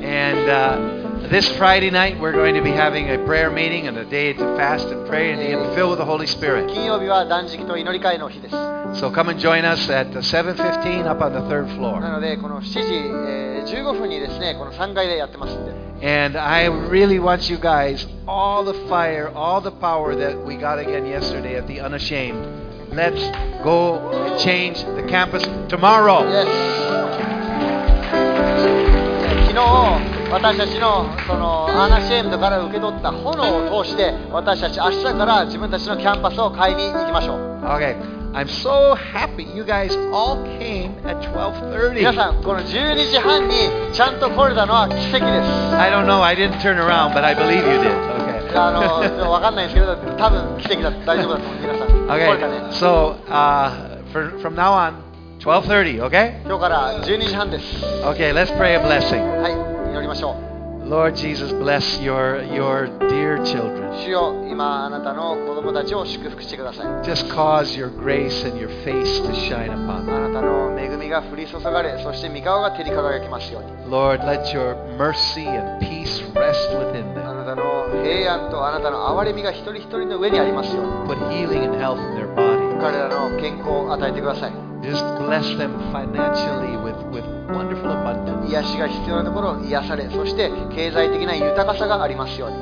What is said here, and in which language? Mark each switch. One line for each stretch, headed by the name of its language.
English: And this Friday night, we're going to be having a prayer meeting and a day to fast and pray and get filled with the Holy Spirit.
Japanese: 金曜日は断食と祈り会の日です。
English: So come and join us at 7:15 up on the third floor.
Japanese: なのでこの7時15分にですね、この3階でやってますんで。
English: And I really want you guys all the fire, all the power that we got again yesterday at the Unashamed. Let's go change the campus tomorrow. Yes.
Japanese: 昨日私たちのそのUnashamedから受け取った炎を通して私たち明日から自分たちのキャンパスを変えに行きましょう。
English: Okay. I'm so happy you guys all came at 12:30.
Japanese: 皆さん、この12時半にちゃんと来れたのは奇跡です。
English: I don't know, I didn't turn around, but I believe you did. Okay.
Japanese: わかんないですけど、多分奇跡だ。大丈夫だと思う、皆さん。
English: Okay.
Japanese: 来れたね。
English: So, from now on, 12:30, okay?
Japanese: 今日から12時半です。
English: Okay, let's pray a blessing.
Japanese: はい、祈りましょう。
English: Lord Jesus, bless your dear children.
Japanese: 主よ、今あなたの子供たちを祝福してください。
English: Just cause your grace and your face to shine upon them.
Japanese: あなたの恵みが降り注がれ、そして御顔が照り輝きますように。
English: Lord, let your mercy and peace rest within them.
Japanese: あなたの平安とあなたの憐れみが一人一人の上にありますように。
English: Put healing and health in their body.
Japanese: 彼らの健康を与えてください。
English: Just bless them financially with wonderful abundance.
Japanese: 癒しが必要なところを癒され、そして経済的な豊かさがありますように。